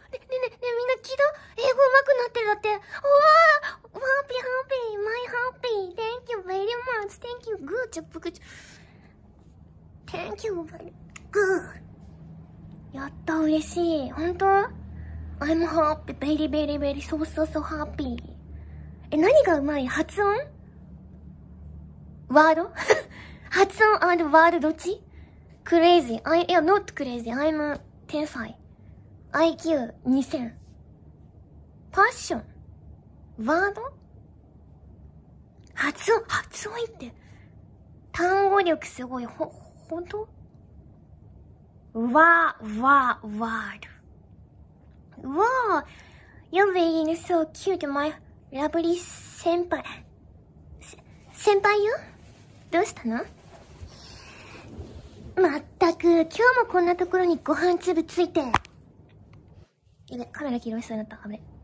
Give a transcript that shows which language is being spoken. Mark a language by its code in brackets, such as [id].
[ja] ねみんな聞いた？英語うまくなってるだって。うわぁ、 [en] ハッピーハッピー、マイハッピー、 Thank you very much, thank you, [ja] グーチョップグーチョ。 [en] Thank you, [ja] グー。やった、嬉しい。ほんと？ [en] I'm happy, very, very, very, so, so, so happy. [ja] え、何がうまい？発音？ワード？発音 and ワードどっち？ [en] Crazy, I am not crazy, I'm 天才。IQ2000。 [ja] パッション。ワード？発音いいって。単語力すごい。ほんと？ワード。 [en] わぁ、You're being so cute, my lovely 先輩。 [ja] 先輩よ？どうしたの？まったく、今日もこんなところにご飯粒ついて。やべ、カメラ切れそうになった。危ね。